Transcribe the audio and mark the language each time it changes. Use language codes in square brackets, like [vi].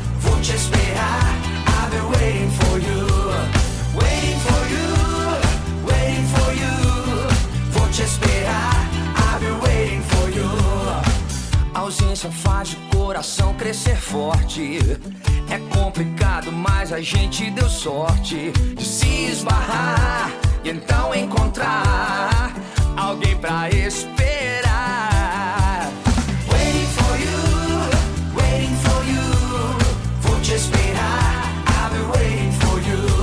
[pt] Vou te esperar, [en] I've been waiting for you. Waiting for you, waiting for you. [pt] Vou te esperar, [en] I've been waiting for you. [pt] A ausência faz coração crescer forte. É complicado, mas a gente deu sorte de se esbarrar e então encontrar alguém pra esperar. [en] Waiting for you, waiting for you. [pt] Vou te esperar, [en] I've been waiting for you.